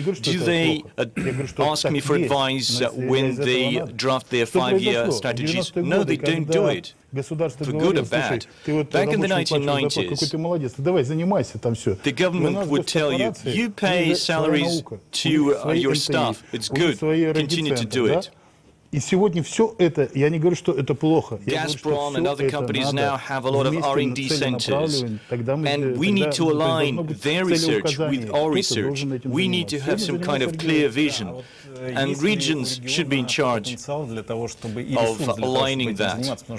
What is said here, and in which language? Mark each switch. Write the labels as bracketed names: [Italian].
[English] Do they ask me for advice when they draft their five-year strategies? No, they don't do it. For good or bad, back in the 1990s, the government would tell you, you pay salaries to your staff. It's good. Continue to do it. [Russian] И сегодня все это, я не говорю, что это плохо. [English] Gazprom and other companies now have a lot of R&D centers, and we need to align their research with our research. We need to have some kind of clear vision, and regions should be in charge of aligning that.